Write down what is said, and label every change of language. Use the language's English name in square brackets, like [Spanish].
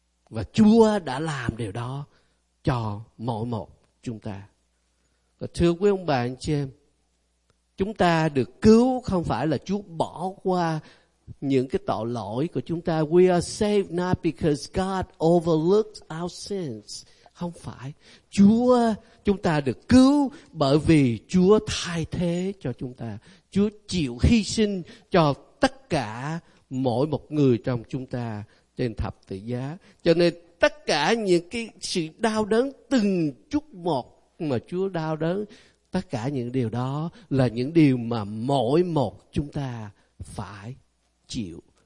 [Vietnamese] Và Chúa đã làm điều đó cho mỗi một chúng ta. Và thưa quý ông bà anh chị em, chúng ta được cứu không phải là Chúa bỏ qua những cái tội lỗi của chúng ta. [English] We are saved not because God overlooked our sins. [Vietnamese] Không phải. Chúa, chúng ta được cứu bởi vì Chúa thay thế cho chúng ta. Chúa chịu hy sinh cho tất cả mỗi một người trong chúng ta trên thập tự giá. Cho nên tất cả những cái sự đau đớn từng chút một mà Chúa đau đớn, tất cả những điều đó là những điều mà mỗi một chúng ta phải chịu.